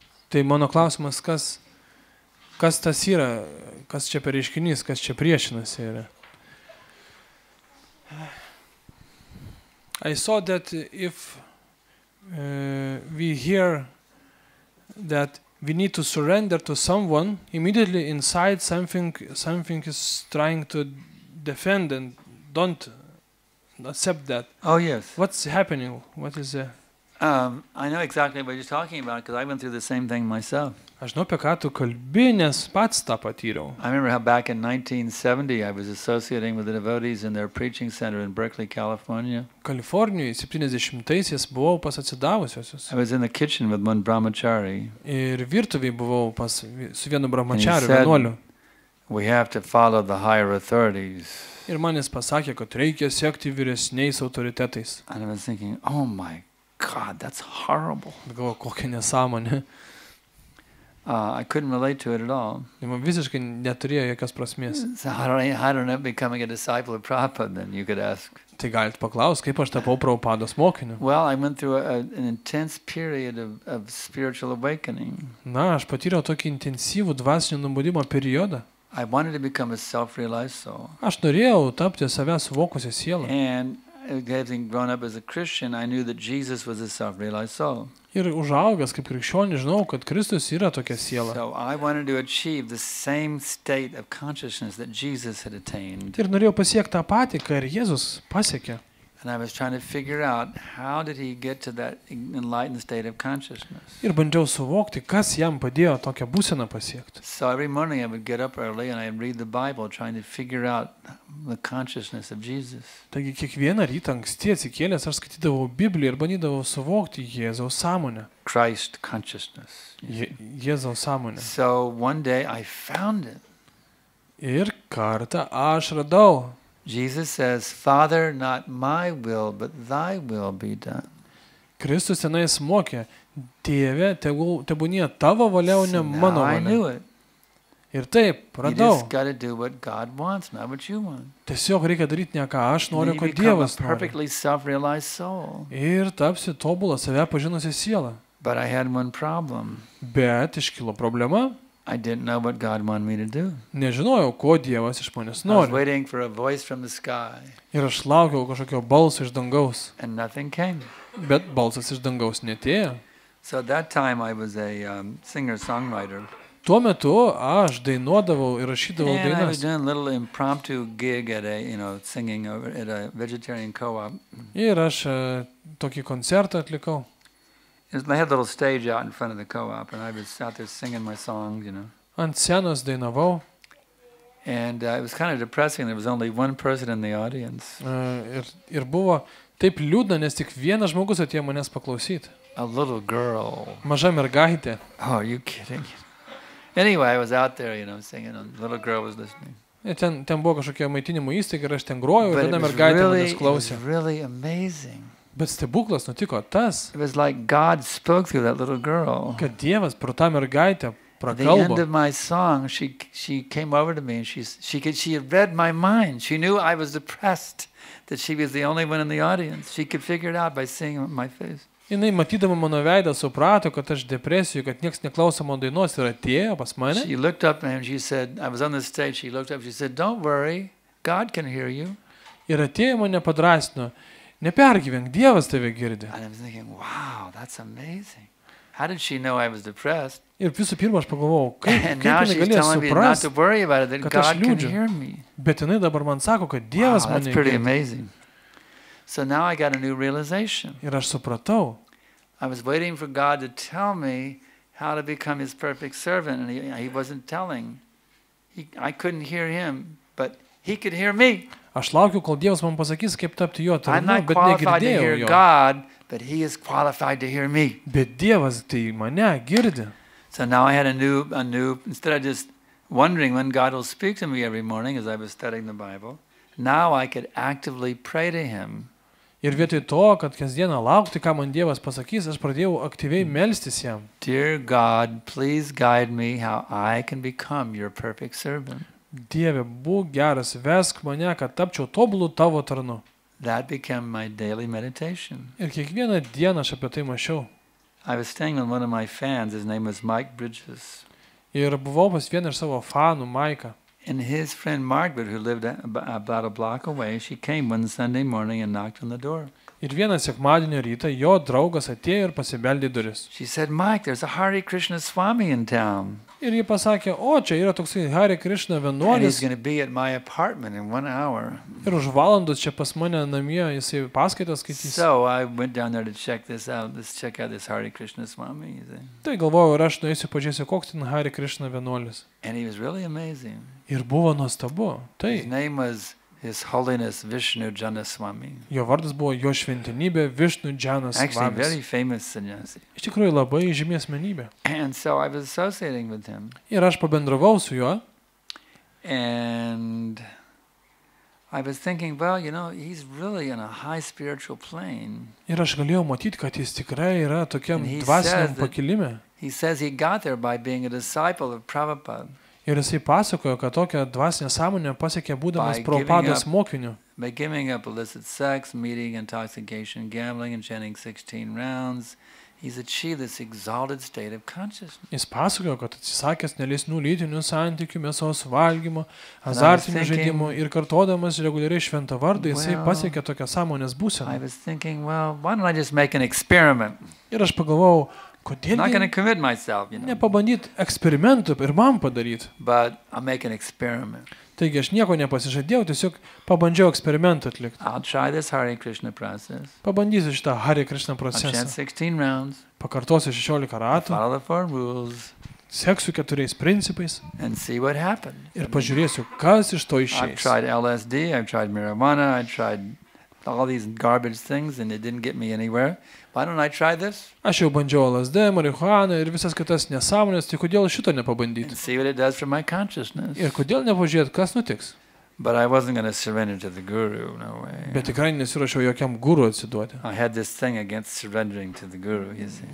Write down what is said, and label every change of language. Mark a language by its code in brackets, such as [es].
[lt] Tai mano klausimas, kas tas yra, kas čia per reiškinys, kas čia priešinasi yra. [en] I saw that if we hear that we need to surrender to someone, immediately inside something is trying to defend and don't accept that. Oh, yes. What's happening? What is the... I know exactly what you're talking about, because I went through the same thing myself. [lt] Aš žinau, apie ką tu kalbi, nes pats tą patyriau. [en] I remember how back in 1970 I was associating with the devotees in their preaching center in Berkeley, California. [lt] Kalifornijoje 70-aisiais buvau pas atsidavusiuosius. [en] I was in the kitchen with one brahmachari. [lt] Ir virtuvėje buvau pas su vienu brahmachariu, vienuoliu. [en] We have to follow the higher authorities. [lt] Ir man jis pasakė, kad reikia sekti vyresniais autoritetais. [en] And I was thinking, oh my God, that's horrible. [lt] Galvoju, kokia nesąmonė. [en] I couldn't relate to it at all. [lt] Man visiškai neturėjo jokios prasmės. [en] How did I becoming a disciple of Prabhupada, then you could ask. [lt] Tai galit paklaust, kaip aš tapau Prabhupados mokiniu. [en] Well, I went through an intense period of spiritual awakening. [lt] Na, aš patyriau tokį intensyvų dvasinio nubudimo periodą. [en] I wanted to become a self-realized soul. [lt] Aš norėjau tapti savęs suvokusią sielą. [en] And having grown up as a Christian, I knew that Jesus was a self-realized soul. [lt] Ir užaugęs kaip krikščionis, žinau, kad Kristus yra tokia siela. [en] So I wanted to achieve the same state of consciousness that Jesus had attained. [lt] Ir norėjau pasiekti tą patį, ką ir Jėzus pasiekė. [en] And I was trying to figure out how did he get to that enlightened state of consciousness. [lt] Ir bandžiau suvokti, kas jam padėjo tokią būseną pasiekti. [en] So every morning I would get up early and I'd read the Bible trying to figure out the consciousness of Jesus. [lt] Taigi kiekvieną rytą anksti atsikėlęs aš skaitydavau Bibliją ir bandydavau suvokti Jėzaus sąmonę. [en] Christ consciousness. [lt] Jėzaus sąmonę. [en] So one day I found it. [lt] Ir kartą aš radau. [en] Jesus says, Father, not my will, but thy will be done. [lt] Kristus tenais mokė, Dieve, tebūnie tavo valia, o ne mano valia. [en] I knew it. [lt] Ir taip, radau. [en] You just got to do what God wants, not what you want. [lt] Tiesiog reikia daryti ne ką aš noriu, ko Dievas nori. [en] Perfectly self-realized soul. [lt] Ir tapsi tobulą save pažinusią sielą. [en] But I had one problem. [lt] Bet iškilo problema. [en] I didn't know what God wanted me to do. [lt] Nežinojau, ko Dievas iš manęs nori. [en] I was waiting for a voice from the sky. [lt] Ir aš laukiau kažkokio balso iš dangaus. [en] And nothing came. [lt] Bet balsas iš dangaus netėjo. [en] So at that time I was a singer-songwriter. [lt] Tuo metu aš dainuodavau ir rašydavau dainas. [en] And I was doing a little impromptu gig at a, you know, singing over at a vegetarian co-op. [lt] Ir aš tokį koncertą atlikau. [en] They had a little stage out in front of the co-op and I was out there singing my songs, you know. [lt] Ant scenos dainavau. [en] And it was kind of depressing, there was only one person in the audience. [lt] Ir buvo taip liūdna, nes tik vienas žmogus atėjo manęs paklausyti. [en] A little girl. [lt] Maža mergaitė. [en] Oh, are you kidding? Anyway, I was out there, you know, singing and a little girl was listening. [lt] Ten buvo kažkokia maitinimo įstaiga ir aš ten grojau, viena mergaitė manęs klausė. [en] Really amazing. [lt] Bet stebuklas nutiko tas. [en] It was like God spoke through that little girl. [lt] Kad Dievas pro tą mergaitę prakalbo. [en] At the end of my song, she came over to me and she had read my mind. She knew I was depressed, that she was the only one in the audience. She could figure it out by seeing my face. [lt] Jinai matydama mano veidą suprato, kad aš depresijoje, kad niekas neklauso mano dainos ir atėjo pas mane. [en] She looked up and she said, I was on the stage. She looked up, she said, "Don't worry, God can hear you." [lt] Ir atėjo mane padrasino. Nepergyvenk, Dievas tave girdi. [en] And I was thinking, wow, that's amazing. How did she know I was depressed? [lt] Ir visų pirma aš pagalvojau, kaip [en] to worry about it, that God can hear me. [lt] Bet jinai dabar man sako, kad Dievas mane girdi. [en] That's pretty amazing. So now I got a new realization. [lt] Ir aš supratau. [en] I was waiting for God to tell me how to become his perfect servant and he wasn't telling. I couldn't hear him, but he could hear me. [lt] Aš laukiu, kol Dievas man pasakys, kaip tapti jo tarnu, bet negirdėjau jo. [en] God, but he is qualified to hear me. [lt] Bet Dievas tai mane girdi. [en] So now I had a new instead of just wondering when God will speak to me every morning as I was studying the Bible, now I could actively pray to him. [lt] Ir vietoj to, kad kasdieną laukti, ką man Dievas pasakys, aš pradėjau aktyviai melstis jam. [en] Dear God, please guide me how I can become your perfect servant. [lt] Dieve, būk geras, vesk mane, kad tapčiau tobulų tavo tarnu. [en] That became my daily meditation. [lt] Ir kiekvieną dieną aš apie tai mašiau. [en] I was staying with one of my fans, his name was Mike Bridges. [lt] Ir buvau pas vieną iš savo fanų, Maiką. [en] And his friend Margaret, who lived about a block away, she came one Sunday morning and knocked on the door. [lt] Ir vieną sekmadienio rytą jo draugas atėjo ir pasibeldė į duris. [en] She said, "Mike, there's a Hare Krishna Swami in town." [lt] Ir ji pasakė, o čia yra toks Hare Krishna vienuolis. [en] He's going to be at my apartment in 1 hour. [lt] Ir už valandos čia pas mane namie jisai paskaitas skaitys. [en] So I went down there to check out this Hare Krishna Swami. [lt] Tai galvojau, ir aš nuėsiu pažiūrėsiu, koks ten Hare Krishna vienuolis. [en] And he was really amazing. [lt] Ir buvo nuostabu. Tai. [en] His Holiness Vishnu Jana Swami. [lt] Jo vardas buvo Jo Šventenybė Vishnu Jana Swami. [en] Actually, very famous sannyasi. [lt] Iš tikrųjų labai žymi asmenybė. [en] And so I was associating with him. [lt] Ir aš pabendravau su juo. [en] And I was thinking, well, you know, he's really in a high spiritual plane. [lt] Ir aš galėjau matyti, kad jis tikrai yra tokiam dvasiniam pakilime. [en] He says he got there by being a disciple of Prabhupada. [lt] Ir jisai pasakojo, kad tokią dvasinę sąmonę pasiekė būdamas Prabhupados mokiniu. [en] By giving up illicit sex, meeting, intoxication, gambling and chanting 16 rounds. He's achieved this exalted state of consciousness. [lt] Jis pasakojo, kad atsisakęs neleisnų lytinių santykių, mėsos valgymo, azartinių žaidimų ir kartodamas reguliariai šventą vardą, jisai pasiekė tokią sąmonės būseną. [en] I was thinking, well, why don't I just make an experiment? [lt] Ir aš pagalvojau, kodėl nepabandyti eksperimentų ir man padaryti. [en] But I'll make an experiment. [lt] Taigi aš nieko nepasižadėjau, tiesiog pabandžiau eksperimentą atlikti. [en] I'll try this Hare Krishna process. [lt] Pabandysiu šitą Hare Krishna procesą. [en] I'll chant 16 rounds. [lt] Pakartosiu 16 ratų. [en] Follow the four rules. [lt] Seksiu keturiais principais. [en] And see what happens. [lt] Ir pažiūrėsiu, kas iš to išeis. [en] I've tried LSD, I've tried marijuana, I've tried all these garbage things and it didn't get me anywhere. Why don't I try this? [lt] Aš jau bandžiau LSD, marihuaną ir visas kitas nesąmonės, tai kodėl šito nepabandyti? [en] See what it does for my consciousness. [lt] Ir kodėl nepažiūrėti, kas nutiks? [en] But I wasn't going to surrender to the guru, no way. [lt] Bet tikrai nesiruošiau jokiam guru atsiduoti. [en] I had this thing against surrendering to the guru, you see.